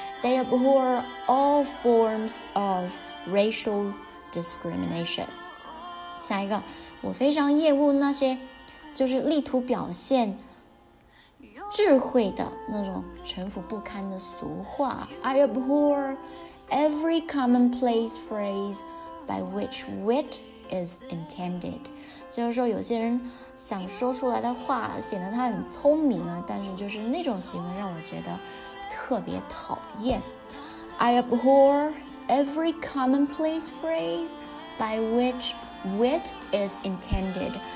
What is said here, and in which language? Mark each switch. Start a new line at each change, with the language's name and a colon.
English: They abhor all forms of racial discrimination.
Chinese: 下一个，我非常厌恶那些。就是力图表现智慧的那种城府不堪的俗话。
English: I abhor every commonplace phrase by which wit is intended.
Chinese: 就是说有些人想说出来的话显得他很聪明啊，但是就是那种行为让我觉得特别讨厌。
English: I abhor every commonplace phrase by which wit is intended.